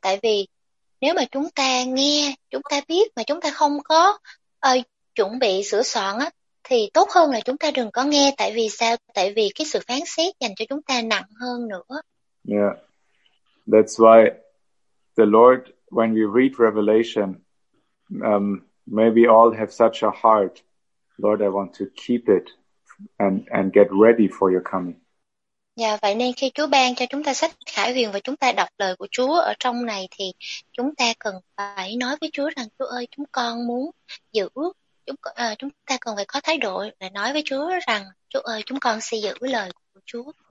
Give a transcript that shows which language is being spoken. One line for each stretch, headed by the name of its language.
Vietnamese: Tại vì nếu mà chúng ta nghe, chúng ta biết mà chúng ta không có chuẩn bị sửa soạn thì tốt hơn là chúng ta đừng có nghe. Tại vì sao? Tại vì cái sự phán xét dành cho chúng ta nặng hơn nữa.
English: Yeah. That's why the Lord, when we read Revelation, may we all have such a heart. Lord, I want to keep it and get ready for your coming.
Vietnamese: Dạ, vậy nên khi Chúa ban cho chúng ta sách Khải Huyền và chúng ta đọc lời của Chúa ở trong này thì chúng ta cần phải nói với Chúa rằng Chúa ơi, chúng con muốn giữ, chúng ta cần phải có thái độ để nói với Chúa rằng Chúa ơi, chúng con sẽ giữ lời của Chúa.